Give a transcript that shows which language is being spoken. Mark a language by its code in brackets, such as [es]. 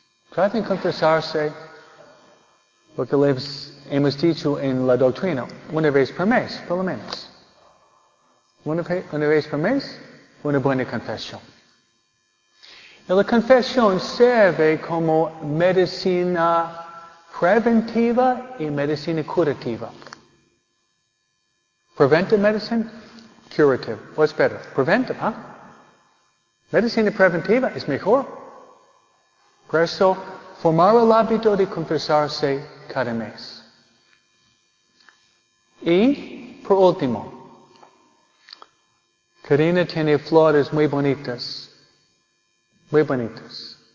[es] Traten de confesarse lo que les hemos dicho en la doctrina, una vez por mes, por lo menos. Una vez por mes, una buena confesión. Y la confesión sirve como medicina preventiva y medicina curativa. [en] Preventive medicine, curative. What's better? Preventive, huh? [es] Medicina preventiva es mejor. Por eso, formar el hábito de confesarse cada mes. Y, por último, Karina tiene flores muy bonitas. Muy bonitas.